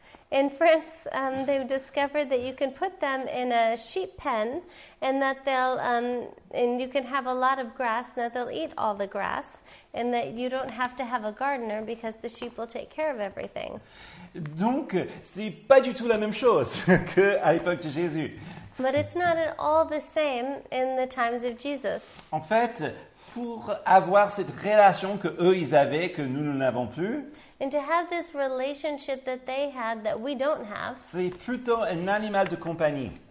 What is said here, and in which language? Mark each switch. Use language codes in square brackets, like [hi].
[en] In France, they've discovered that you can put them in a sheep pen and that they'll and you can have a lot of grass and that they'll eat all the grass and that you don't have to have a gardener because the sheep will take care of everything. [fr] Donc, c'est pas du tout la même chose qu'à l'époque de Jésus. [en] But it's not at all the same in the times of Jesus. [fr] En fait, pour avoir cette relation que eux ils avaient que nous n'avons plus. [en] And to have this relationship that they had that we don't have. [fr] C'est plutôt un animal de compagnie.